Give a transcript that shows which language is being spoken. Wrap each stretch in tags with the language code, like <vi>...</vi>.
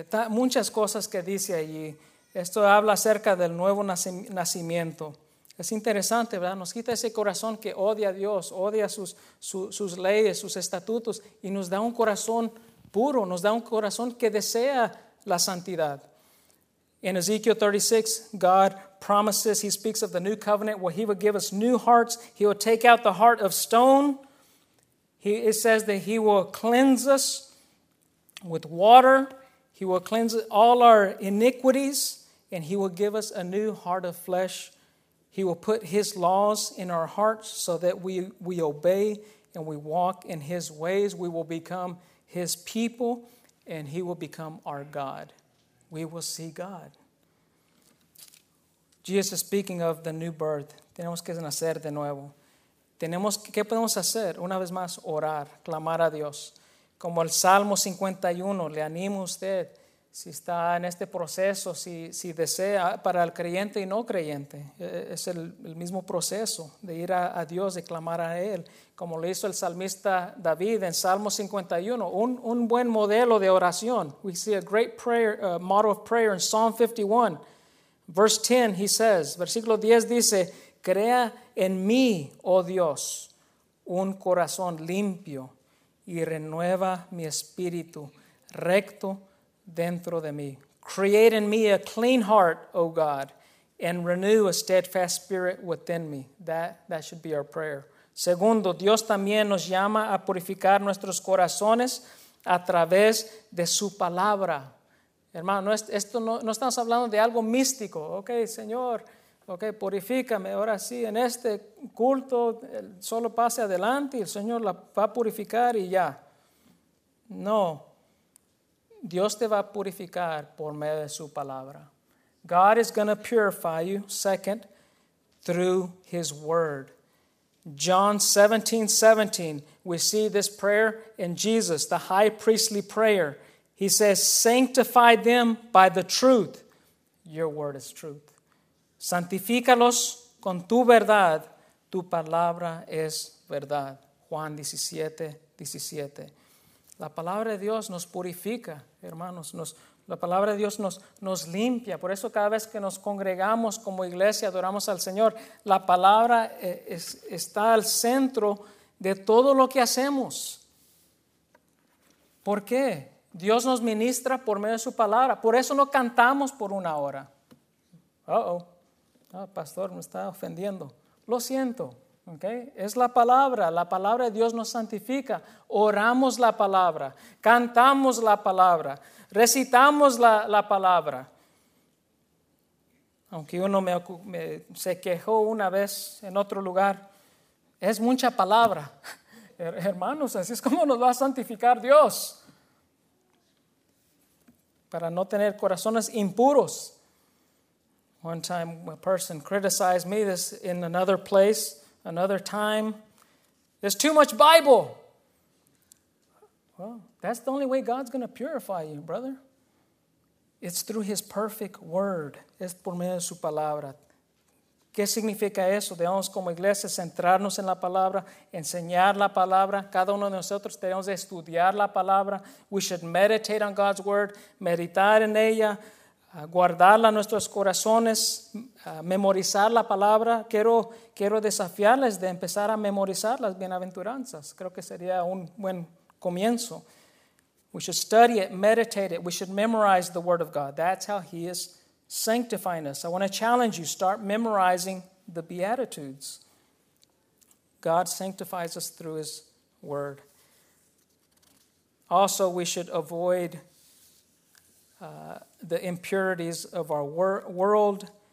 <es>Muchas cosas que dice allí. Esto habla acerca del nuevo nacimiento. Es interesante, ¿verdad? Nos quita ese corazón que odia a Dios, odia sus leyes, sus estatutos, y nos da un corazón puro, nos da un corazón que desea la santidad.</es> <en>En Ezekiel 36, God promises, he speaks of the new covenant, where he will give us new hearts. He will take out the heart of stone. It says that he will cleanse us with water. He will cleanse all our iniquities, and he will give us a new heart of flesh. He will put his laws in our hearts so that we obey and we walk in his ways. We will become his people, and he will become our God. We will see God. Jesus is speaking of the new birth.</en> <es>Tenemos que nacer de nuevo. ¿Qué podemos hacer? Una vez más, orar, clamar a Dios. Como el Salmo 51, le animo a usted, si está en este proceso, si desea, para el creyente y no creyente, es el mismo proceso de ir a Dios, de clamar a Él, como lo hizo el salmista David en Salmo 51, un buen modelo de oración.</es> <en>We see a great prayer, model of prayer in Psalm 51, verse 10, he says,</en> <es>versículo 10 dice, crea en mí, oh Dios, un corazón limpio, y renueva mi espíritu recto dentro de mí.</es> <en>Create in me a clean heart, O God, and renew a steadfast spirit within me. That should be our prayer.</en> <es>Segundo, Dios también nos llama a purificar nuestros corazones a través de su palabra. Hermano, esto no estamos hablando de algo místico. Ok, Señor, ok, purifícame. Ahora sí, en este culto, solo pase adelante y el Señor la va a purificar y ya. No. Dios te va a purificar por medio de su palabra.</es> <en>God is going to purify you, second, through his word. John 17:17, we see this prayer in Jesus, the high priestly prayer. He says, sanctify them by the truth. Your word is truth.</en> <es>Santifícalos con tu verdad, tu palabra es verdad. Juan 17:17. La palabra de Dios nos purifica, hermanos. La palabra de Dios nos limpia. Por eso cada vez que nos congregamos como iglesia, adoramos al Señor, la palabra está al centro de todo lo que hacemos. ¿Por qué? Dios nos ministra por medio de su palabra. Por eso no cantamos por una hora. Oh, pastor, me está ofendiendo. Lo siento, ¿ok? Es la palabra de Dios nos santifica. Oramos la palabra, cantamos la palabra, recitamos la palabra. Aunque uno me se quejó una vez en otro lugar, es mucha palabra. Hermanos, así es como nos va a santificar Dios. Para no tener corazones impuros.</es> <en>One time a person criticized me this in another place, another time. There's too much Bible. Well, that's the only way God's going to purify you, brother. It's through his perfect word.</en> <es>Es por medio de su palabra. ¿Qué significa eso? Debemos como iglesia centrarnos en la palabra, enseñar la palabra. Cada uno de nosotros debemos estudiar la palabra.</es> <en>We should meditate on God's word,</en> <es>meditar en ella. Guardarla en nuestros corazones, memorizar la palabra. Quiero desafiarles de empezar a memorizar las bienaventuranzas. Creo que sería un buen comienzo.</es> <en>We should study it, meditate it. We should memorize the word of God. That's how he is sanctifying us. I want to challenge you. Start memorizing the Beatitudes. God sanctifies us through his word. Also, we should avoid the impurities of our world.</en>